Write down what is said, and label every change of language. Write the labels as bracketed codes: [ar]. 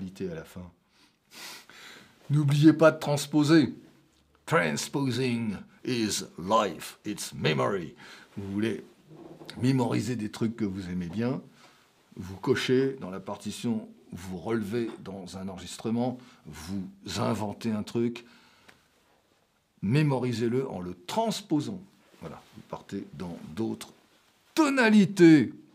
[fr] à la fin. N'oubliez pas de transposer. [en] Transposing is life, it's memory. [fr] Vous voulez mémoriser des trucs que vous aimez bien, vous cochez dans la partition, vous relevez dans un enregistrement, vous inventez un truc, mémorisez-le en le transposant. Voilà, vous partez dans d'autres tonalités.